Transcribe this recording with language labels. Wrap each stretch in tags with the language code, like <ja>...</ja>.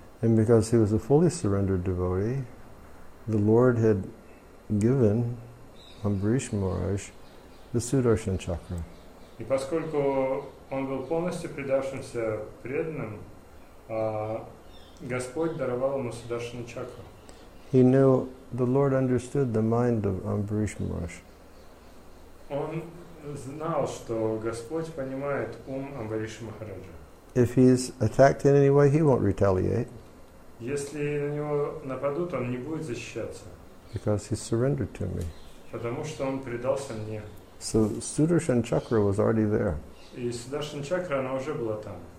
<en>And because he was a fully surrendered devotee, the Lord had given Ambarish Maharaj the Sudarshan Chakra.</en> <ru>И поскольку он был полностью предавшимся преданным, Господь даровал ему Сударшану Чакру.</ru> <en>He knew, the Lord understood the mind of Ambarish Maharaj.</en> <ru>Он знал, что Господь понимает ум Амбариша Махараджа.</ru> <en>If he's attacked in any way, he won't retaliate.</en> <ru>Если на него нападут, он не будет защищаться.</ru> <en>Because he surrendered to me.</en> <ru>Потому что он предался мне.</ru> <en>So Sudarshan Chakra was already there.</en> <ru>И Sudarshan Chakra, она уже была там.</ru>